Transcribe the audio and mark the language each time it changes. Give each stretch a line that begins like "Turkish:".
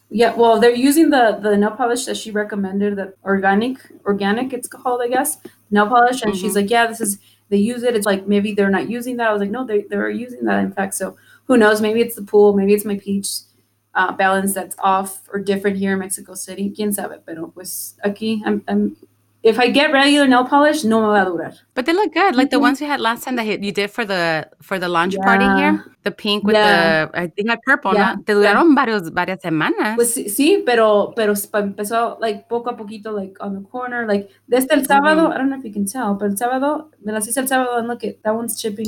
English: Yeah, well, they're using the nail polish that she recommended, the organic it's called, I guess, nail polish. And mm-hmm. She's like, yeah, this is, they use it. It's like, maybe they're not using that. I was like, no, they're using that, in fact. So who knows, maybe it's the pool, maybe it's my pH balance that's off or different here in Mexico City.
Spanish: Quién sabe, pero pues aquí,
English: if I get regular nail polish,
Spanish: no me va a durar.
English: But they look good. Like the ones we had last time that you did for the launch party here. The pink with the, I think, purple. Yeah.
Spanish: Te duraron varias semanas. Pues sí, pero empezó like poco a poquito,
English: like on the corner. Like
Spanish: desde el sábado,
English: I don't know if you can tell, but
Spanish: el sábado, me las hice el sábado,
English: and look at that one's chipping.